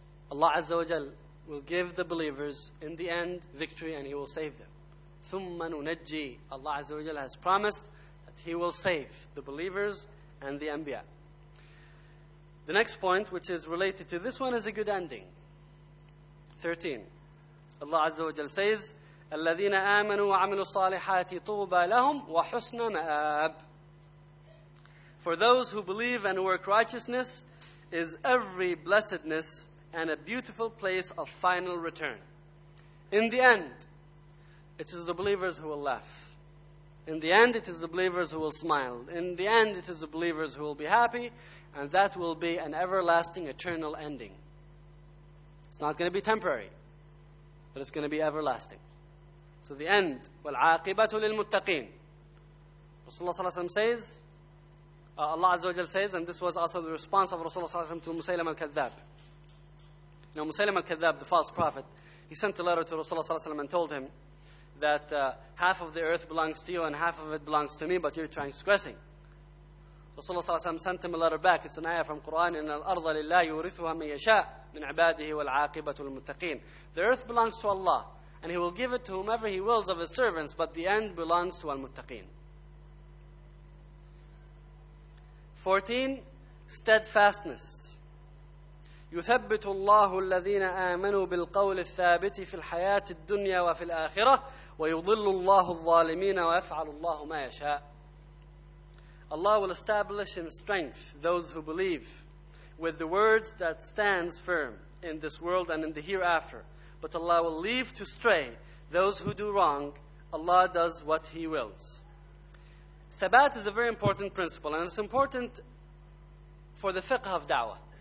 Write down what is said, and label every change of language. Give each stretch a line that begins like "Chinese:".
English: Allah Azza wa Jal will give the believers, in the end, victory, and He will save them.
Arabic: ثُمَّ نُنَجِّي.
English: Allah Azza wa Jal has promised that He will save the believers and the Anbiya. The next point, which is related to this one, is a good ending. 13. Allah Azza wa Jalla says,
Arabic: الَّذِينَ آمَنُوا وَعَمِلُوا الصَّالِحَاتِ طُوبَى لَهُمْ وَحُسْنَ مَآبٍ.
English: For those who believe and work righteousness is every blessedness and a beautiful place of final return. In the end, it is the believers who will laugh. In the end, it is the believers who will smile. In the end, it is the believers who will be happy, and that will be an everlasting, eternal ending. It's not going to be temporary, but it's going to be everlasting. So the end,
Arabic: وَالْعَاقِبَةُ لِلْمُتَّقِينَ.
English: Rasulullah sallallahu alayhi wa sallam says, Allah azza wa jal says, and this was also the response of Rasulullah sallallahu alayhi wa sallam to Musaylam al-Kadhab. Now Musaylam al-Kadhab, the false prophet, he sent a letter to Rasulullah sallallahu alayhi wa sallam and told him that half of the earth belongs to you and half of it belongs to me, but you're transgressing. Rasulullah sallallahu alayhi wa sallam sent him a letter back. It's an ayah from Quran,
Arabic: إِنَّ الْأَرْضَ لِلَّهِ يُورِثُهَا مَنْ يَشَاءُ مِنْ عِبَادِهِ وَالْعَاقِبَةُ الْمُتَّقِينَ.
English: The earth belongs to Allah, and He will give it to whomever He wills of His servants, but the end belongs to al-muttaqeen. 14, steadfastness.
Arabic: يثبت الله الذين آمنوا بالقول الثابت في الحياة الدنيا وفي الآخرة ويضل الله الظالمين ويفعل الله ما يشاء.
English: Allah will establish and strengthen those who believe with the words that stands firm in this world and in the hereafter. But Allah will leave to stray those who do wrong. Allah does what He wills. Thabat is a very important principle, and it's important for the fiqh of da'wah.